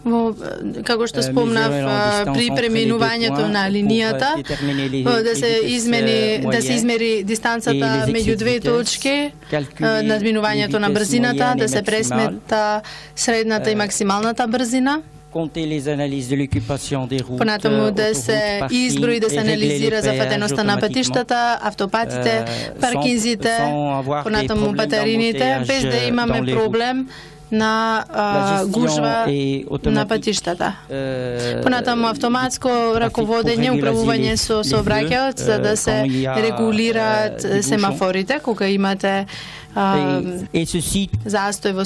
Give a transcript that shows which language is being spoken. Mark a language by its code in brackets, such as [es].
[mk] Во како што спомнав при преминувањето на линијата, да се измени, да се измери дистанцата меѓу две точки, надминувањето на брзината, да се пресмета средната и максималната брзина. [fr] Compter les analyses de l'occupation des routes. [mk] Понатаму да се изброи, да се анализира зафатеноста на патиштата, автопатите, паркинзите, понатаму батерините, без да имаме проблем на гужва на патиштата. Понатаму автоматско раководење, управување со сообраќајот за да се регулираат семафорите кога имате застој во